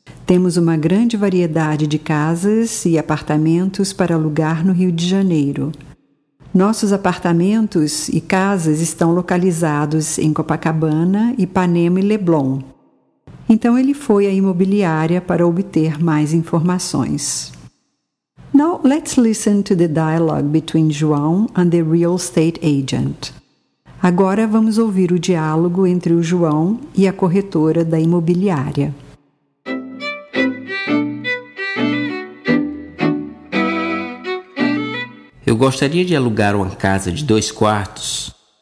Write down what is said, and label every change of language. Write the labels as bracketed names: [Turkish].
[Portuguese] Temos uma grande variedade de casas e apartamentos para alugar no Rio de Janeiro. Nossos apartamentos e casas estão localizados em Copacabana, Ipanema e Leblon." Então ele foi à imobiliária para obter mais informações. [English] Now let's listen to the dialogue between João and the real estate agent. [Portuguese] Agora vamos ouvir o diálogo entre o João e a corretora da imobiliária. Eu gostaria de alugar uma casa de 2 quartos.